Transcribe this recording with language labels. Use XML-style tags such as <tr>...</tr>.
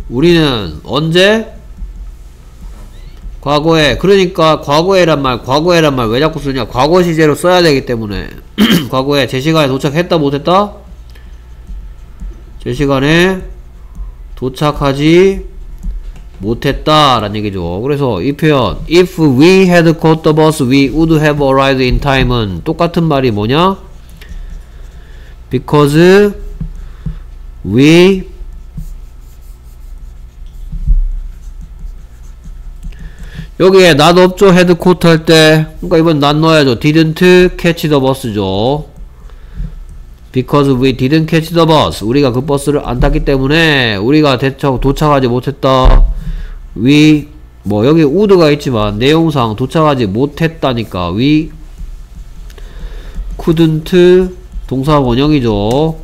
<ko>우리는 언제? 과거에. 그러니까 과거에란 말, 과거에란 말 왜 자꾸 쓰냐? 과거 시제로 써야 되기 때문에. 과거에 제 시간에 도착했다 못했다? 제 시간에 도착하지 못했다 라는 얘기죠. 그래서 이 표현</ko> <en>if we had caught the bus we would have arrived in time</en> <ko>은 똑같은 말이 뭐냐?</ko> <en>because we</en> <ko>여기에 not 없죠? 헤드쿼터 할 때 그러니까 이번 not 넣어야죠.</ko> <en>didn't catch the bus</en> <ko>죠.</ko> <en>because we didn't catch the bus</en> <ko>우리가 그 버스를 안 탔기 때문에 우리가 도착하지 못했다. we 뭐 여기 would가 있지만 내용상 도착하지 못했다니까</ko> <en>we couldn't</en> <ko>동사 원형이죠.</ko>